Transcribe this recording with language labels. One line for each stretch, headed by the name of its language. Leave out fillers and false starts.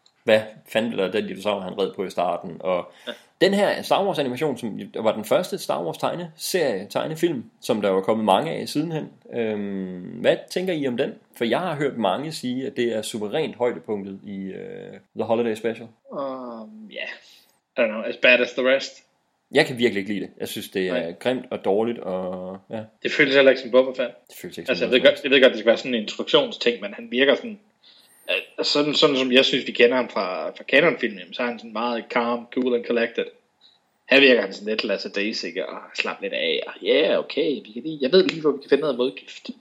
Danish: Hvad fanden blev der af den dinosaurer, han red på i starten? Og den her Star Wars animation, som var den første Star Wars tegnefilm, som der var kommet mange af sidenhen. Hvad tænker I om den? For jeg har hørt mange sige, at det er suverænt højdepunktet i The Holiday Special.
English: I don't know, as bad as the rest.
Danish: Jeg kan virkelig ikke lide det. Jeg synes, det er grimt og dårligt. Og, ja. Det føles heller ikke som Boba Fett. Det føles ikke altså, jeg ved godt, det skal være sådan en instruktionsting, men han virker sådan... Sådan som jeg synes, vi kender ham fra canon-filmen, så er han sådan meget
English: calm, cool and collected.
Danish: Her virker han sådan lidt lassadaisig og slap lidt af. Og okay, vi kan lige, jeg ved lige, hvor vi kan finde noget modgift.